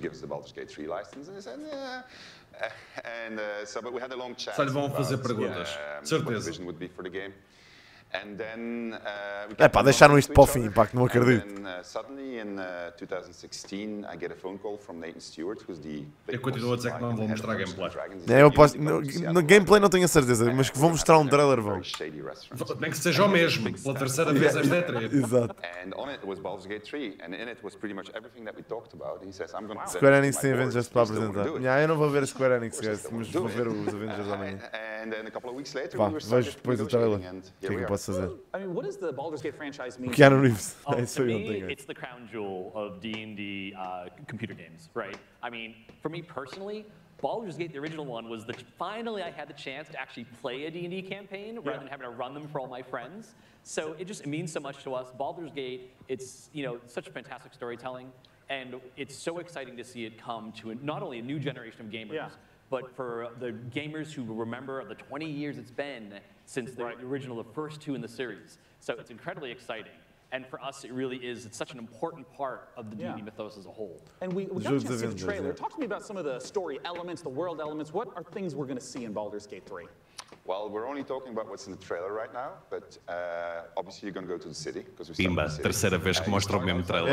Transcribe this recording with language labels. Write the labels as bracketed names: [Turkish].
[Portuguese] Só lhe vão fazer perguntas. Certeza. [English] And then, [Portuguese] é pá, deixaram isto para o fim, pá, que não acredito. [English] Then, suddenly in 2016, I get a phone call from Nathan Stewart, who's the. [Portuguese] Eu continuo a dizer que não vão mostrar gameplay. É, eu posso, no gameplay não tenho a certeza, mas que vão mostrar um trailer, vão. Nem que seja o mesmo, pela terceira vez às letras. Exato. [English] And on it was Baldur's Gate 3, and in it was pretty much everything that we talked about. He says, I'm going to. [Portuguese] Square Enix tem Avengers para apresentar. Yeah, eu não vou ver a Square Enix, guys, mas vou ver os Avengers amanhã. [English] And then a couple of weeks later, pá, [Portuguese] vejo depois o trailer. [English] I mean, what does the Baldur's Gate franchise mean? Keanu Reeves. To me, it's the crown jewel of D&D computer games, right? I mean, for me personally, Baldur's Gate, the original one, was the finally I had the chance to actually play a D&D campaign rather than having to run them for all my friends. So it just means so much to us. Baldur's Gate, it's, you know, such fantastic storytelling, and it's so exciting to see it come to not only a new generation of gamers, but for the gamers who remember the 20 years it's been since the original, the first two in the series. So it's incredibly exciting. And for us, it really is, it's such an important part of the D&D mythos as a whole. And we got a chance to see the trailer. Talk to me about some of the story elements, the world elements. What are things we're going to see in Baldur's Gate 3? Well, we're only talking about what's in the trailer right now, but obviously you're going to go to the city. [Portuguese] Pimba, terceira vez que mostra o mesmo trailer.